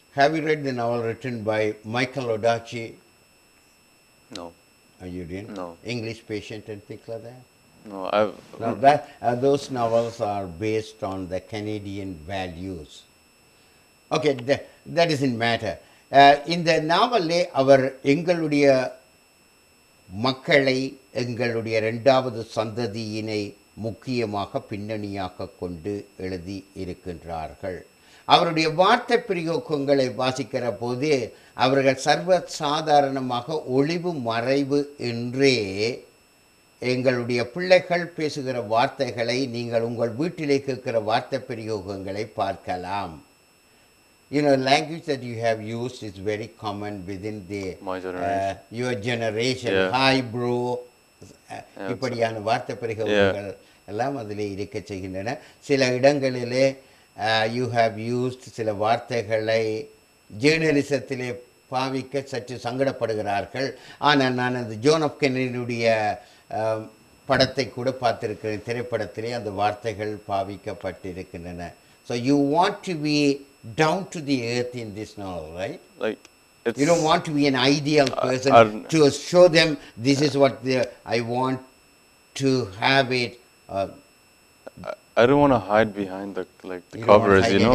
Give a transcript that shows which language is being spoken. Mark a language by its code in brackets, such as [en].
[en] Have you read the novel written by Michael Odachi? No. Are you reading? No. English Patient and things like that? No, I've... Now that, those novels are based on the Canadian values. Okay, that doesn't matter. In the novel, our [ta] எங்களுடைய மக்களை எங்களுடைய இரண்டாவது சந்ததியினை முக்கியமாக பின்னணியாக கொண்டு எழுதி இருக்கின்றார்கள். அவருடைய வார்த்தை பிரயோகங்களை வாசிக்கிற போதே அவர்கள் சர்வ சாதாரணமாக ஒளிவு மறைவு என்றே எங்களுடைய பிள்ளைகள் பேசுகிற வார்த்தைகளை நீங்கள் உங்கள் வீட்டிலே கேட்கிற வார்த்தை பிரயோகங்களை பார்க்கலாம். [en] You know, language that you have used is very common within the your generation. Yeah. Hi, bro. [ta] இப்படியான வார்த்தை பிரயோகங்கள் எல்லாம் அதிலே இருக்க செய்கின்றன. சில இடங்களிலே [en] you have used [ta] சில வார்த்தைகளை ஜேர்னலிசத்திலே பாவிக்க சற்று சங்கடப்படுகிறார்கள். ஆனால் நான் அந்த ஜோன் ஆஃப் கென்னடியுடைய படத்தை கூட பார்த்திருக்கிறேன். திரைப்படத்திலே அந்த வார்த்தைகள் பாவிக்கப்பட்டிருக்கின்றன. [en] So you want to be down to the earth in this novel, right? Like, it's, you don't want to be an ideal person to show them this is what I want to have it. I don't want to hide behind the like the covers, you know,